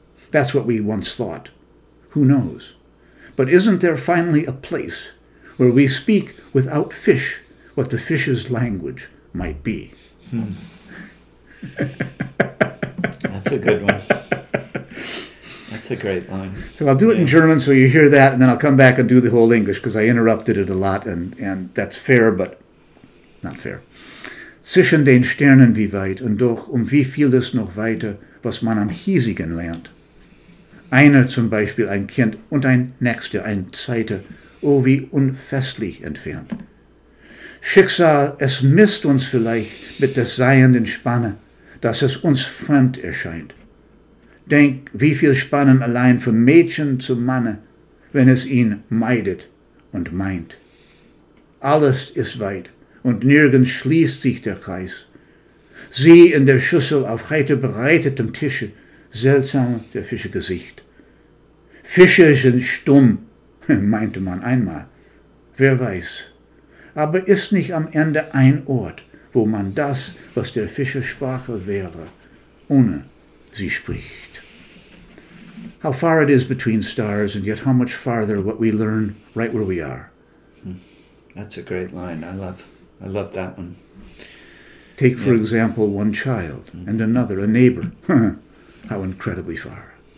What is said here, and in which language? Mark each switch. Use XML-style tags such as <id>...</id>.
<en>That's what we once thought. Who knows? But isn't there finally a place where we speak without fish what the fish's language might be? That's a good one. That's a great line. So I'll do it in German so you hear that, and then I'll come back and do the whole English because I interrupted it a lot, and that's fair, but not fair.</en> <de>Zwischen den Sternen wie weit, und doch um wie viel es noch weiter, was man am hiesigen lernt. Einer zum Beispiel, ein Kind, und ein Nächster, ein Zweiter, oh wie unfestlich entfernt. Schicksal, es misst uns vielleicht mit des seienden Spanne, dass es uns fremd erscheint. Denk, wie viel Spannen allein vom Mädchen zum Manne, wenn es ihn meidet und meint. Alles ist weit und nirgends schließt sich der Kreis. Sie in der Schüssel auf heute bereitetem Tische, seltsam der Fische Gesicht. Fische sind stumm, meinte man einmal. Wer weiß? aber ist nicht am Ende ein Ort, wo man das, was der Fischer Sprache wäre, ohne sie spricht.</de> <en>How far it is between stars, and yet how much farther what we learn right where we are. That's a great line. I love that one. Take, for example, one child and another, a neighbor. How incredibly far.</en>